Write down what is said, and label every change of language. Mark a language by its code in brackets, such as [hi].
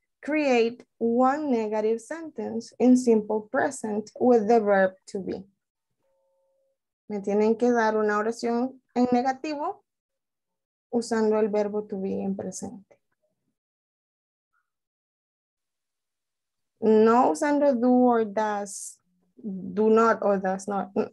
[en] Create one negative sentence in simple present with the verb to be. [es] Me tienen que dar una oración en negativo usando el verbo to be en presente. No usando do or does, do not or does not.